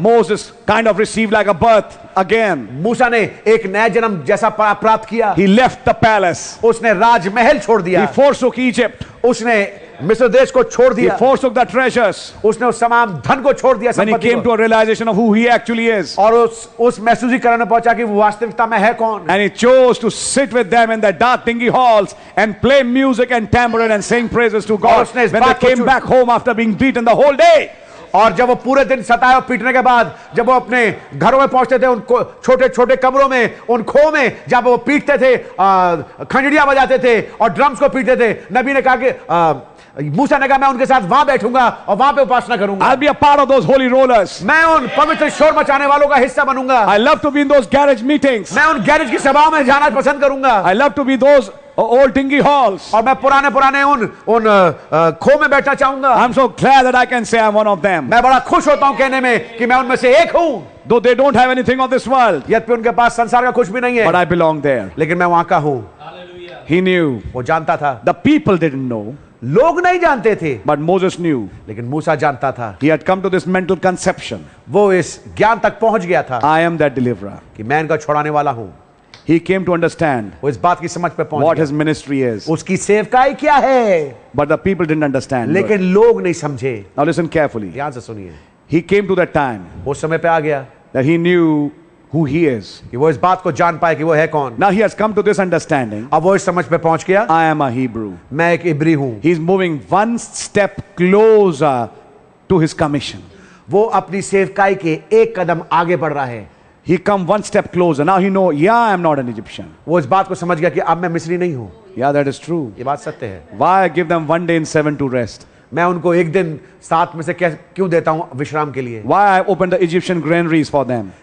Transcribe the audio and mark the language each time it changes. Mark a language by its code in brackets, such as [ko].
[en] Moses kind of received like a birth. Again, [hi] मूसा ने एक नया जन्म जैसा प्राप्त किया. [en] He left the palace. [hi] उसने राजमहल छोड़ दिया. [en] He forsook Egypt. [hi] उसने मिस्र देश को छोड़ दिया. [en] He forsook the treasures. [hi] उसने उस तमाम धन को छोड़ दिया. [en] When he came to a realization of who he actually is. [hi] और उस महसूसीकरण में पहुंचा कि वास्तविकता में है कौन. [en] And he chose to sit with them in the dark dingy halls and play music and tambourine and sing praises to God. [hi] उसने [en] when they came back home after being beaten the whole day. [hi] और जब वो पूरे दिन सताए और पीटने के बाद जब वो अपने घरों में पहुंचते थे, उन छोटे छोटे कमरों में, उन खो में जब वो पीटते थे, खंजड़ियां बजाते थे और ड्रम्स को पीटते थे, नबी ने कहा कि मूसा ने कहा मैं उनके साथ वहां बैठूंगा और वहां पे उपासना करूंगा। [en] I'll be a part of those holy rollers. [hi] मैं उन पवित्र शोर मचाने वालों का हिस्सा बनूंगा। [en] I love to be in those garage meetings. [hi] मैं उन गैरेज की सभाओं में जाना पसंद करूंगा। [en] I love to be those old dingy halls. [hi] और मैं पुराने पुराने उन खो में बैठना चाहूंगा। [en] I'm so glad that I can say I'm one of them. [hi] मैं बड़ा खुश होता हूं कहने में कि मैं उनमें से एक हूं। [en] Though they don't have anything of this world. [hi] यद्यपि उनके पास संसार का कुछ भी नहीं है। [en] But I belong there. [hi] लेकिन मैं वहां का हूं। [en] Hallelujah. He knew. [hi] वो जानता था। [en] The people didn't know. [hi] लोग नहीं जानते थे। [en] But Moses knew. [hi] लेकिन मूसा जानता था। [en] He had come to this mental conception. [hi] वो इस ज्ञान तक पहुंच गया था। [en] I am that deliverer. [hi] कि मैं इनका छुड़ाने वाला हूं। [en] He came to understand [hi] इस बात की समझ पे पहुंच [en] what his ministry is. [hi] उसकी सेवकाई क्या है? [en] But the people didn't understand. [hi] लेकिन लोग नहीं समझे। [en] Now listen carefully. [hi] ध्यान से सुनिए। [en] He came to that time. [hi] वो समय पे आ गया। [en] That he knew who he is. [hi] कि वो इस बात को जान पाए कि वो है कौन। [en] Now he has come to this understanding. [hi] अब वो इस समझ पे पहुंच गया। [en] I am a Hebrew. [hi] मैं एक इब्री हूँ। [en] He is moving one step closer to his commission. [hi] वो अपनी सेवकाई के एक कदम आगे बढ़ रहा है। [en] He come one step closer. Now he know, yeah, I am not an Egyptian. [hi] वो इस बात को समझ गया कि अब मैं मिस्री नहीं हूँ। [en] Yeah, that is true. [hi] ये बात सत्य है। [en] Why I give them one day in seven to rest? [hi] मैं उनको एक दिन सात में से क्यों देता हूँ विश्राम के लिए? [en] Why I open the Egyptian granaries for them?